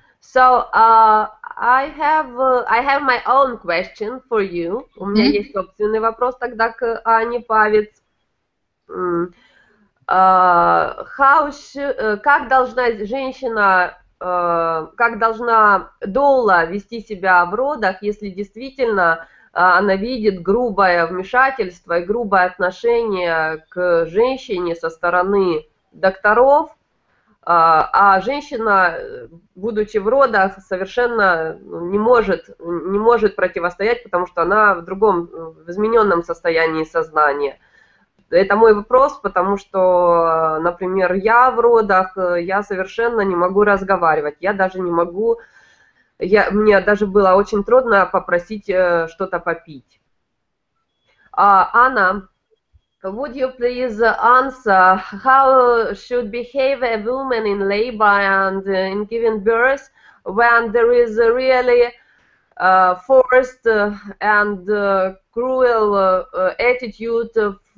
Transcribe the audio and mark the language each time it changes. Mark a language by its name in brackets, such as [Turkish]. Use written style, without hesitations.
[English] So I have my own question for you. [Russian] Mm-hmm. У меня есть собственный вопрос тогда к Ане Павец. Как должна женщина, как должна доула вести себя в родах, если действительно она видит грубое вмешательство и грубое отношение к женщине со стороны докторов, а женщина, будучи в родах, совершенно не может противостоять, потому что она в другом, в измененном состоянии сознания. Это мой вопрос, потому что, например, я в родах, я совершенно не могу разговаривать, я даже не могу, мне даже было очень трудно попросить что-то попить. [English] Анна, would you please answer, how should behave a woman in labor and in giving birth, when there is a really forced and cruel attitude of